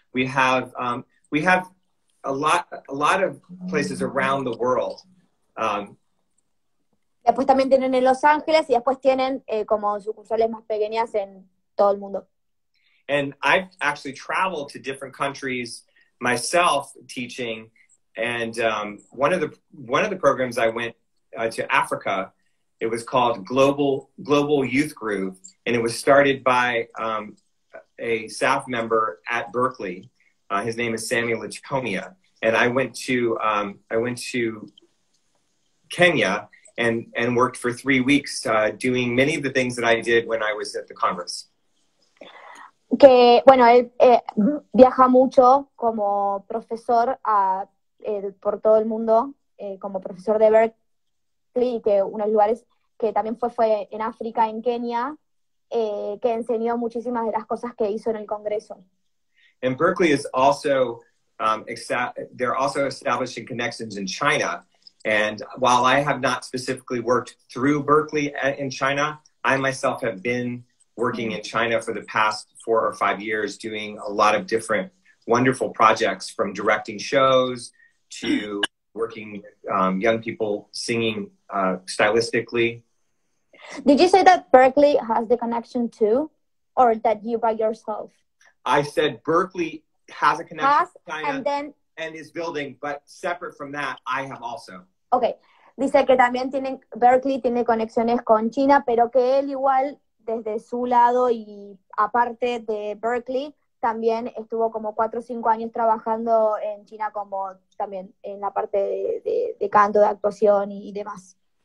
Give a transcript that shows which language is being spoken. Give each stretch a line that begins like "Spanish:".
English: We have a lot of places around the world.
Spanish: Después también tienen en Los Ángeles y después tienen como sucursales más pequeñas en todo el mundo.
English: And I've actually traveled to different countries myself teaching. And one of the programs I went to Africa, it was called Global Youth Groove, and it was started by a staff member at Berklee. His name is Samuel Lichomia, and I went to Kenya, and worked for 3 weeks doing many of the things that I did when I was at the Congress.
Spanish: Que, bueno, él viaja mucho como profesor por todo el mundo, como profesor de Berkeley, que unos lugares que también fue en África, en Kenia, que enseñó muchísimas de las cosas que hizo en el Congreso.
English: And Berkeley is also, they're also establishing connections in China. And while I have not specifically worked through Berkeley in China, I myself have been working in China for the past 4 or 5 years, doing a lot of different wonderful projects, from directing shows to working with young people singing stylistically. Did you say that Berkeley has the connection too, or that you by yourself? I said Berkeley has a connection has, to China and is building, but separate from that, I have also. Okay.
Spanish: Dice que también Berkeley tiene conexiones con China, pero que él igual, desde su lado y aparte de Berkeley, también estuvo como 4 o 5 años trabajando en China, como también en la parte de canto, de actuación y demás.